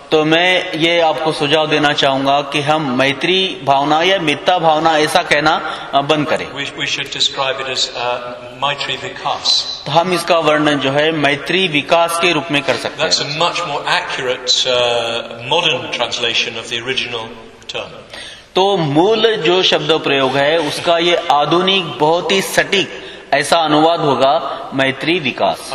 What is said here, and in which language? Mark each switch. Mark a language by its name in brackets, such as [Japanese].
[Hindi] तो मैं ये आपको सुझाव देना चाहूंगा कि हम मैत्री भावना या मित्ता भावना ऐसा कहना बंद करें. [English] We should describe it as maitri vikas. [Hindi] तो हम इसका वर्णन जो है मैत्री विकास के रूप में कर सकते हैं. [English] That's a much more accurate modern translation of the original term. [Hindi] तो मूल जो शब्द प्रयोग है उसका ये आधुनिक बहुत ही सटीक ऐसा अनुवाद होगा मैत्री विकास.